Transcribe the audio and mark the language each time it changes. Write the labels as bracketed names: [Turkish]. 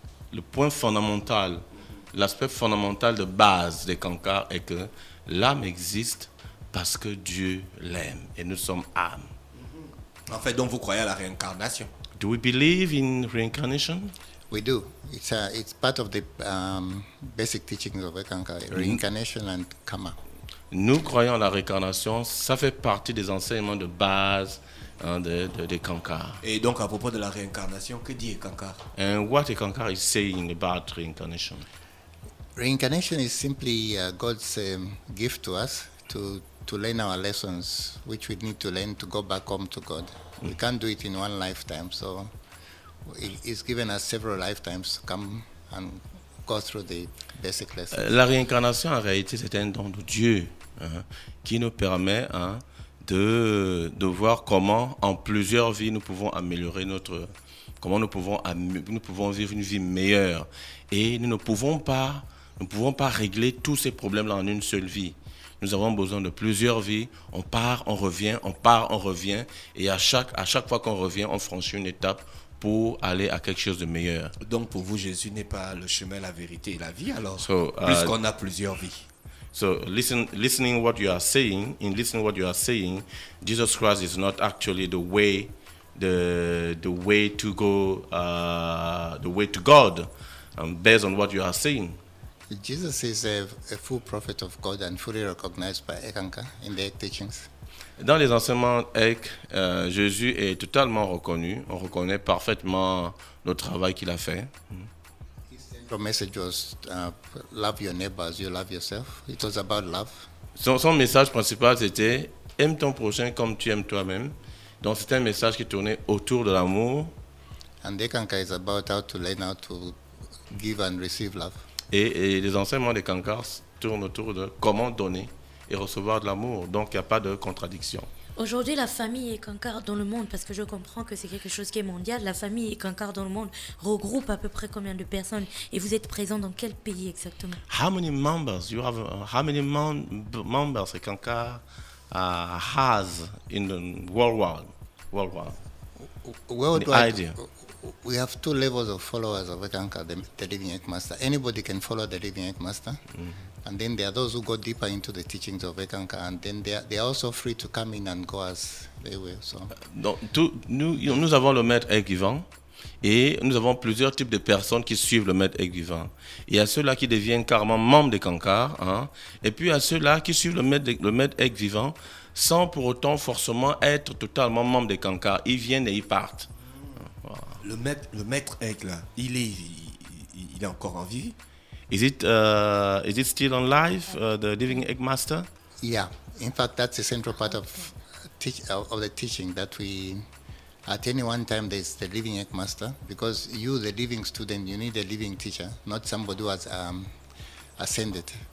[French] Le point fondamental, l'aspect fondamental de base des Cancars est que l'âme existe parce que Dieu l'aime et nous sommes âme. Mm-hmm. En fait, donc vous croyez à la réincarnation? [English] Do we believe in reincarnation? We do. It's part of the basic teachings of Cancars, reincarnation and karma. [French] Nous croyons à la réincarnation, ça fait partie des enseignements de base. De Cancars. Et donc à propos de la réincarnation, que dit Cancars? [English] And what Cancars is saying about reincarnation? Reincarnation is simply God's gift to us to learn our lessons, which we need to learn to go back home to God. We can't do it in one lifetime, so He's given us several lifetimes to come and go through the basic lessons. [French] La réincarnation en réalité c'est un don de Dieu qui nous permet de voir comment en plusieurs vies nous pouvons améliorer comment nous pouvons vivre une vie meilleure et nous ne pouvons pas régler tous ces problèmes là en une seule vie. nous avons besoin de plusieurs vies. On part, on revient, on part, on revient. Et à chaque fois qu'on revient, on franchit une étape pour aller à quelque chose de meilleur. Donc pour vous, Jésus n'est pas le chemin, la vérité et la vie, alors, puisqu'on a plusieurs vies. [English] So listening what you are saying, Jesus Christ is not actually the way to God, based on what you are saying. Jesus is a full prophet of God and fully recognized by Ekanka in their teachings. [French] Dans les enseignements Ek, Jésus est totalement reconnu. On reconnaît parfaitement le travail qu'il a fait. [English] The message was love your neighbor as you love yourself. It was about love. [French] Son message principal c'était aime ton prochain comme tu aimes toi-même. Donc c'était un message qui tournait autour de l'amour. [English] And the Kanka is about how to learn how to give and receive love. [French] Et les enseignements des Kankars tournent autour de comment donner et recevoir de l'amour. Donc il y a pas de contradiction. Aujourd'hui, la famille et Kankar dans le monde, parce que je comprends que c'est quelque chose qui est mondial, la famille et Kankar dans le monde regroupe à peu près combien de personnes? Et vous êtes présent dans quel pays exactement? [English] How many members you have? How many members Kankar has in the worldwide? Worldwide. We have two levels of followers of Kankar, the Living Egg Master. Anybody can follow the Living Egg Master. Mm-hmm. And then there are those who go deeper into the teachings of Ekanka, and then they are also free to come in and go as they will. So. [French] Donc, nous avons le maître Egg Vivant, et nous avons plusieurs types de personnes qui suivent le maître Egg Vivant. Il y a ceux-là qui deviennent carrément membres de Kankar, hein, et puis il y a ceux-là qui suivent le maître Egg Vivant sans pour autant forcément être totalement membre de Kankar. Ils viennent et ils partent. Wow. Le maître Egg, là, il est encore en vie? [English] Is it still on life, the Living Egg Master? Yeah, in fact, that's the central part of the teaching, that we, at any one time, there's the Living Egg Master, because you, the living student, you need a living teacher, not somebody who has ascended.